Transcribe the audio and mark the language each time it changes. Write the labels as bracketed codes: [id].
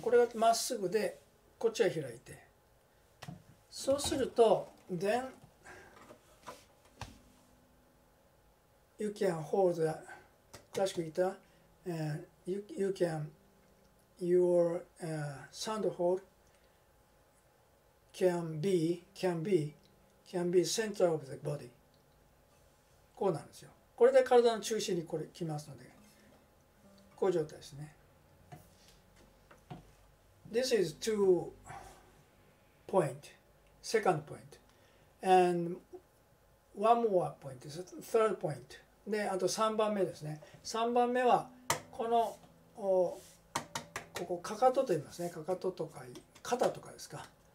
[ja] これがまっすぐでこっちは開いて、そうすると [en] thenYou can hold the classical guitar and you can your sound hole can be center of the body。 [ja] こうなんですよ。これで体の中心にこれ来ますので、こういう状態ですね。 [en] This is two point, second point, and one more point is third point。 [ja] で、あと3番目ですね。 3番目はこのここかかとと言いますね。かかととか肩とかですか。